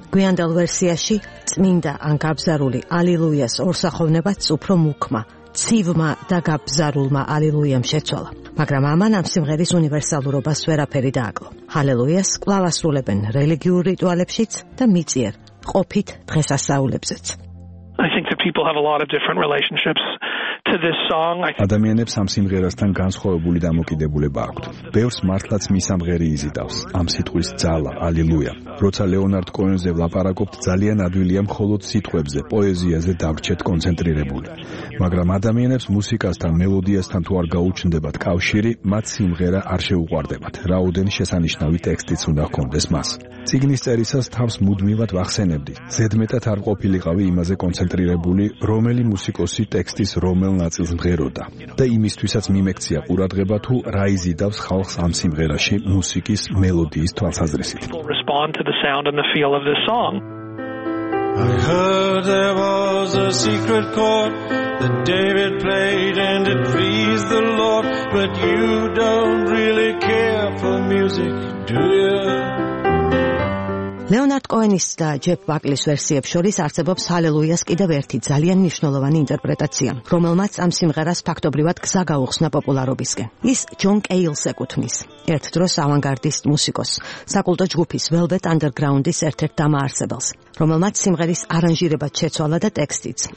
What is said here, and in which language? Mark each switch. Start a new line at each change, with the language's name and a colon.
Georgian: გვიანდელ ვერსიაში წმინდა ან გაბზარული ალილუიას ორსახოვნებაც უფრო მუქმა, ცივმა და გაბზარულმა ალილუიამ შეცვალა. მაგრამ ამან ამ სიმღერის უნივერსალურობას ვერაფერი დააკლო. ჰალელუიას კვლავ ასრულებენ რელიგიურ რიტუალებშიც და მიწიერ ყოფით დღესასწაულებზეც.
English: I think that people have a lot of different relationships to this song.
Georgian: ადამიანებს ამ სიმღერასთან განსხვავებული დამოკიდებულება აქვთ. ბევრს მართლაც მისამღერი იზიდავს ამ სიტყვის ძალა, ალილუია. როცა ლეონარდ კოენზე ვლაპარაკობთ, ძალიან ადვილია მხოლოდ სიტყვებზე, პოეზიაზე დაგჩეთ კონცენტრირებული. მაგრამ ადამიანებს მუსიკასთან, მელოდიასთან თუ არ გაუჩნდებათ კავშირი, მათ სიმღერა არ შეუყვარდებათ, რაოდენ შესანიშნავი ტექსტიც უნდა ჰქონდეს მას. წიგნის წერისას თავს მუდმივად ვახსენებდი, ზედმეტად არ ყოფილიყავი იმაზე კონცენტრირებული, რომელი მუსიკოსი ტექსტის რომელ ნაწილს მღეროდა და იმისთვისაც მიმექცია ყურადღება, თუ რა იზიდავს ხალხს ამ სიმღერაში მუსიკის მელოდიის თვალსაზრისით.
English: I heard there was a secret chord that David played and it pleased the Lord, but you don't really care for music, do you?
Georgian: ლეონარდ კოენის და ჯეფ ბაკლის ვერსიებს შორის არსებობს ჰალელუიას კიდევ ერთი ძალიან მნიშვნელოვანი ინტერპრეტაცია, რომელმაც ამ სიმღერას ფაქტობრივად გზა გაუხსნა პოპულარობისკენ. ის ჯონ კეილს ეკუთვნის, ერთ დროს ავანგარდის მუსიკოს, საკულტო ჯგუფის Velvet Underground-ის ერთ-ერთ დამაარსებელს, რომელმაც სიმღერის არანჟირება შეცვალა და ტექსტიც.